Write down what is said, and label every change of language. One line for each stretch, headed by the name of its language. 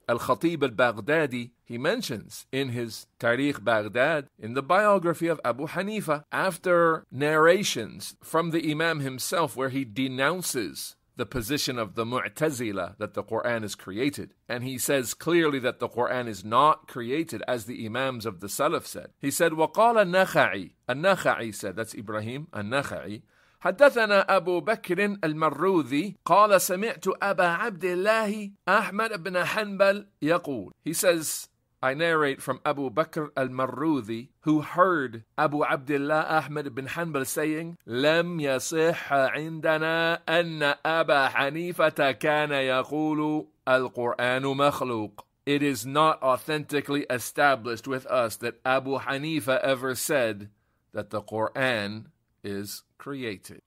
English: Al-Khatib al-Baghdadi, he mentions in his Tariq Baghdad, in the biography of Abu Hanifa, after narrations from the Imam himself where he denounces the position of the Mu'tazila that the Quran is created, and he says clearly that the Quran is not created as the Imams of the Salaf said. He said,
Arabic: وَقَالَ النَّخَعِي.
English: النَّخَعِي said, that's Ibrahim, النَّخَعِي.
Arabic: حدثنا أبو بكر المروذي قال سمعت أبا عبد الله أحمد بن حنبل يقول.
English: He says, I narrate from Abu Bakr al-Marruthi, who heard Abu Abdullah Ahmad ibn Hanbal saying,
Arabic: لَمْ يَصِحَّ عِنْدَنَا أَنَّ أَبَا حَنِيفَةَ كَانَ يَقُولُ الْقُرْآنُ مَخْلُوقٌ.
English: It is not authentically established with us that Abu Hanifa ever said that the Qur'an is created.